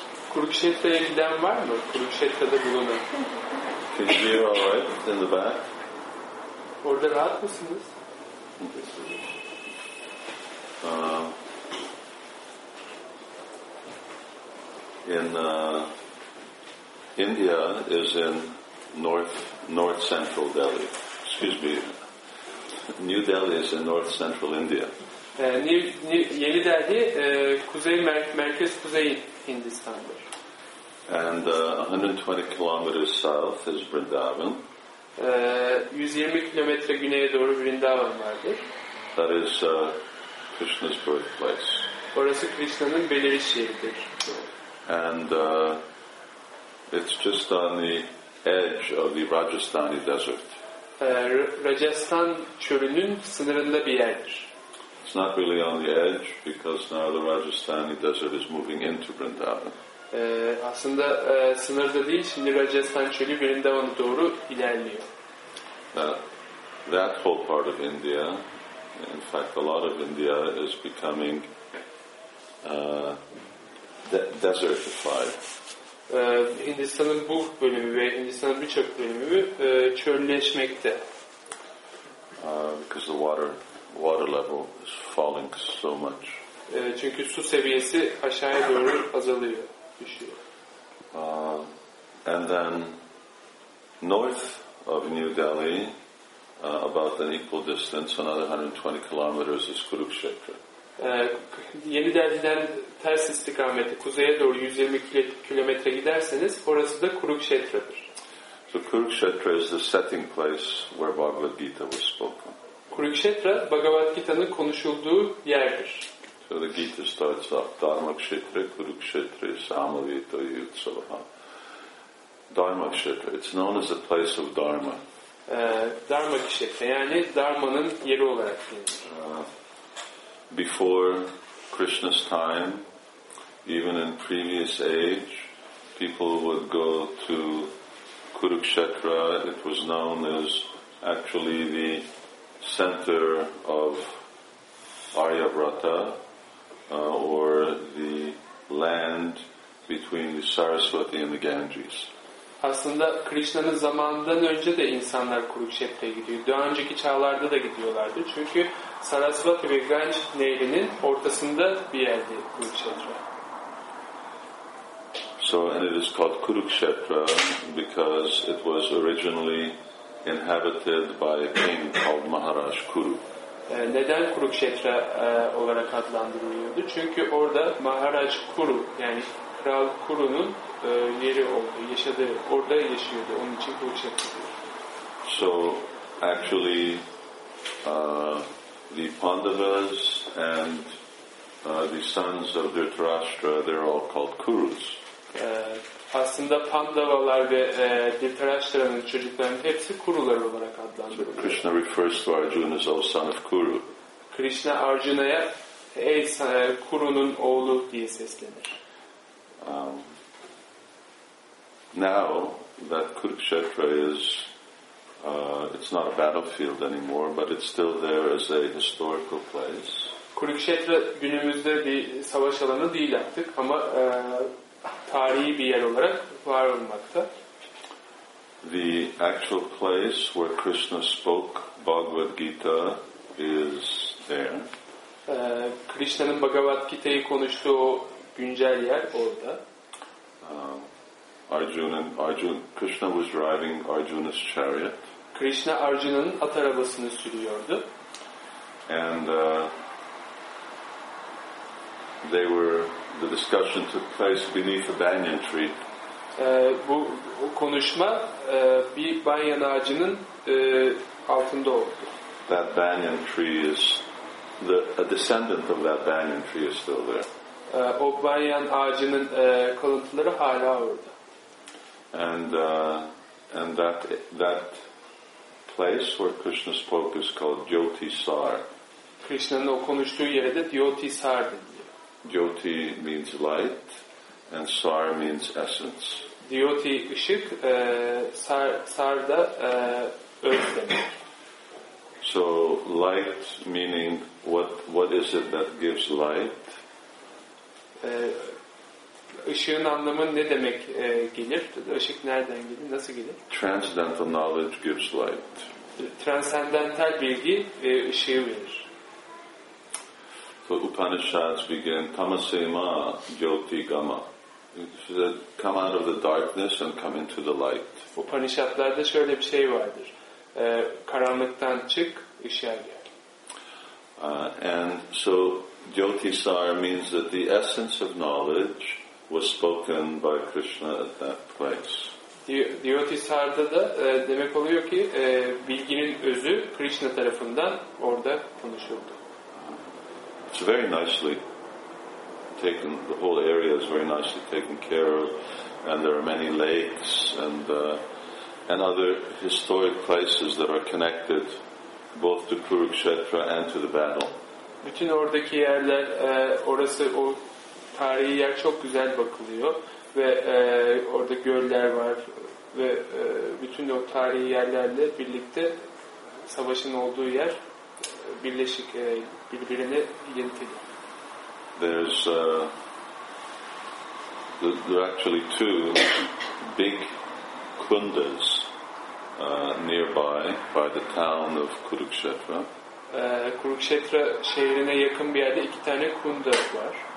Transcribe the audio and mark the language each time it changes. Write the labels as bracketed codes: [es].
[tr] Kurukshetra'ya giden var mı? Kurukshetra'da bulunan. [en] Can you hear all right in the back? [tr] Orada rahat mısınız? [en] In India is in north central Delhi. Excuse me. New Delhi is in north central India. [tr] Yeni Delhi kuzey merkez kuzey Hindistan'dır. [en] And 120 kilometers south is Vrindavan. [tr] 120 kilometre güneye doğru Vrindavan vardır. [en] That is Krishna's birthplace. [tr] Orası Krishna'nın beliriş yeridir. [en] And it's just on the edge of the Rajasthani desert. [tr] Rajasthan çölünün sınırında bir yerdir. [en] It's not really on the edge because now the Rajasthani desert is moving into Vrindavan. [tr] Aslında sınırda değil, şimdi Rajasthan çölü Vrindavan'a doğru ilerliyor. [en] That whole part of India, in fact a lot of India is becoming desertified. [tr] Hindistan'ın bu bölümü ve Hindistan'ın birçok bölümü çölleşmekte. [en] Because the water level is falling so much. [tr] Çünkü su seviyesi aşağıya doğru azalıyor, düşüyor. [en] And then north of New Delhi, about an equal distance, another 120 kilometers is Kurukshetra. [tr] Yeni Delhi'den ters istikamette kuzeye doğru 120 kilometre giderseniz orası da Kurukshetra'dır. [en] So Kurukshetra is the setting place where Bhagavad Gita was spoken. [tr] Kurukshetra, Bhagavad Gita'nın konuşulduğu yerdir. [en] So the Gita starts up, [sa] Dharmakshetra, Kurukshetra, Samavita, Yutsavaha. [en] Dharmakshetra, it's known as the place of Dharma. [tr] Dharmakshetra, yani Dharma'nın yeri olarak [en] Before Krishna's time, even in previous age, people would go to Kurukshetra. It was known as actually the center of Aryavrata, or the land between the Saraswati and the Ganges. [tr] Aslında Krishna'nın zamanından önce de insanlar Kurukshetra'ya gidiyor. Daha önceki çağlarda da gidiyorlardı. Çünkü Saraswati ve Ganges nehrinin ortasında bir yerdi Kurukshetra. [en] So and it is called Kurukshetra because it was originally inhabited by a king called Maharaj Kuru. [tr] Neden Kurukshetra olarak adlandırılıyordu? Çünkü orada Maharaj Kuru, yani Kral Kuru'nun yeri oldu, yaşadı, orada yaşıyordu. Onun için Kurukshetra. [en] So actually the Pandavas and the sons of Dhritarashtra, they're all called Kurus. [tr] Aslında Pandavalar ve Dhritarashtra'nın çocuklarının hepsi kurular olarak adlandırılıyor. [en] So Krishna refers to Arjuna as oh, son of Kuru. [tr] Krishna Arjuna'ya ey Kuru'nun oğlu diye seslenir. [en] Now that Kurukshetra is it's not a battlefield anymore, but it's still there as a historical place. [tr] Kurukshetra günümüzde bir savaş alanı değil artık ama tarihi bir yer olarak var olmakta. [en] The actual place where Krishna spoke Bhagavad Gita is there. [tr] Krishna'nın Bhagavad Gita'yı konuştuğu güncel yer orada. [en] Krishna was driving Arjuna's chariot. [tr] Krishna Arjuna'nın at arabasını sürüyordu. [en] And the discussion took place beneath a banyan tree. [tr] Bu konuşma bir banyan ağacının altında oldu. [en] That banyan tree is a descendant of that banyan tree is still there. [tr] O banyan ağacının kalıntıları hala orada. [en] And that place where Krishna spoke is called Jyotisar. [tr] Krishna'nın o konuştuğu yere de Jyotisar deniyor. [en] Jyoti means light and sar means essence. [tr] Jyoti ışık, sar da öz demek. [en] So light meaning what is it that gives light? [tr] Işığın anlamı ne demek gelir? Işık nereden gelir? Nasıl gelir? [en] Transcendental knowledge gives light. [tr] Transcendental bilgi ışığı verir. [en] So Upanishads begin [sa] tamasema jyoti gama. [en] Come out of the darkness and come into the light. [tr] Upanishadlarda şöyle bir şey vardır. Karanlıktan çık, ışığa gel. [en] And so jyotisar means that the essence of knowledge was spoken by Krishna at that place. [tr] Jyotisar'da da demek oluyor ki bilginin özü Krishna tarafından orada konuşuldu. [en] It's very nicely taken, the whole area is very nicely taken care of, and there are many lakes and other historic places that are connected both to Kurukshetra and to the battle. [tr] Bütün oradaki yerler, orası o tarihi yer çok güzel bakılıyor ve orada göller var ve bütün o tarihi yerlerle birlikte savaşın olduğu yer birleşik birbirine ilintili. [en] There's there are actually two big kundas nearby by the town of Kurukshetra. [tr] Kurukshetra şehrine yakın bir yerde iki tane kunda var.